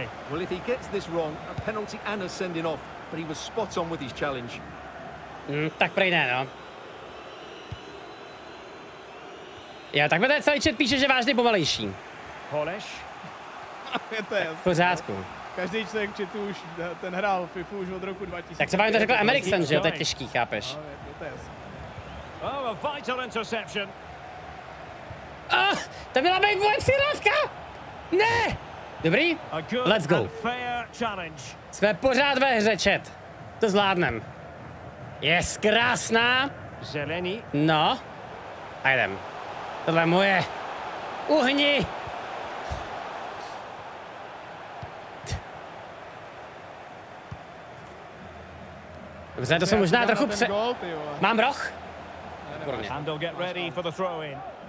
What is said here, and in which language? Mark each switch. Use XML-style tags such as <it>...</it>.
<en>Well, if he gets this wrong, a penalty and a sending off, but he was spot on with his challenge.</en> <cs>Tak prej ne, no. Jo, tak mi ten celý chat píše, že vážně pomalejší. Holeš. Je to jasný. V pořádku. Každý člověk chatu už, ten hrál FIFA už od roku 2000. Tak třeba mi to řekl Emerickson, že jo, to je těžký, chápeš? No, je to jasný.</cs> <en>Oh, a vital interception.</en> <cs>Oh, to byla být moje přihrávka! Ne! Dobrý?</cs> <en>Let's go.</en> <cs>Jsme pořád ve hře, chat. To zvládnem.</cs> <en>Yes,</en> <cs>krásná. Zelený. No. A jdem. Tohle je moje. Uhni! Dobře, to jsem možná trochu pře... Mám roh?</cs> <en>And they'll get ready for the throw-in.</en>